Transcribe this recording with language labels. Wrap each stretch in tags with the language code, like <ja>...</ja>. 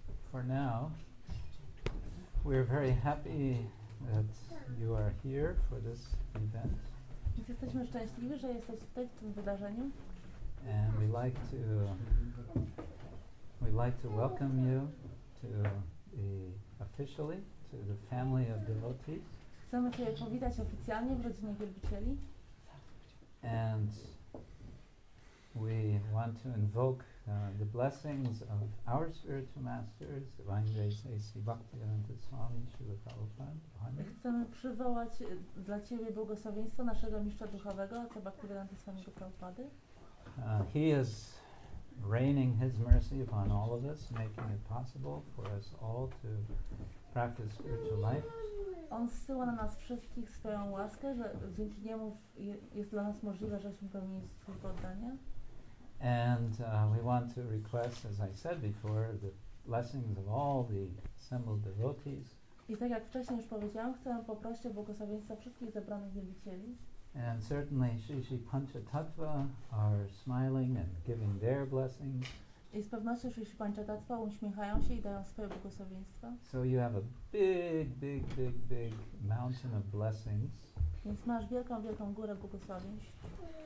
<en>For now, we're very happy that you are here for this event.</en> <pl>Jesteśmy szczęśliwi, że jesteś tutaj w tym wydarzeniu.</pl> <en>And we'd like to welcome you to the officially to the family of devotees.</en> <pl>Chcemy Cię powitać oficjalnie w rodzinie wielbicieli.</pl> <en>And we want to invoke the blessings of our spiritual masters, Divine Grace A.C. Bhaktivedanta Swami, Śrīla Prabhupāda.</en> <pl>Chcemy przywołać dla Ciebie błogosławieństwo naszego mistrza duchowego, Aca Bhaktivedanta Swami Prabhupady.</pl> <en>He is raining His mercy upon all of us, making it possible for us all to practice spiritual life.</en> <pl>On zsyła na nas wszystkich swoją łaskę, że dzięki niemu jest dla nas możliwe, żeśmy pełnili służbę oddania.</pl> <en>And we want to request, as I said before, the blessings of all the assembled devotees.</en> <pl>I tak jak wcześniej już powiedziałam, chcę poprosić o błogosławieństwo wszystkich zebranych wielbicieli.</pl> <en>And certainly Śrī Pañcatattva are smiling and giving their blessings.</en> <pl>I z pewnością Śrī Pañcatattva uśmiechają się i dają swoje błogosławieństwa.</pl> <en>So you have a big, big, big, big mountain of blessings.</en> <pl>Więc masz wielką, wielką górę błogosławieństw.</pl>